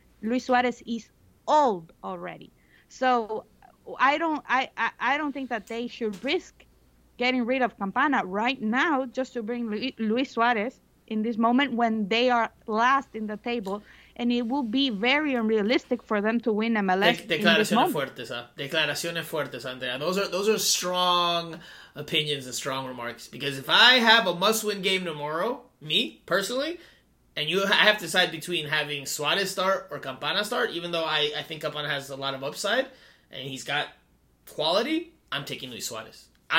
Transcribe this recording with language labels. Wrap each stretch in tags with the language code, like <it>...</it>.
<en>Luis Suarez is old already. So I don't think that they should risk getting rid of Campana right now just to bring Luis Suarez in this moment when they are last in the table, and it will be very unrealistic for them to win MLS.</en> <es>Declaraciones fuertes, declaraciones fuertes, Andrea.</es> <en>Those are strong opinions and strong remarks, because if I have a must-win game tomorrow, me personally, and I have to decide between having Suarez start or Campana start, even though I think Campana has a lot of upside and he's got quality, I'm taking Luis Suarez.</en>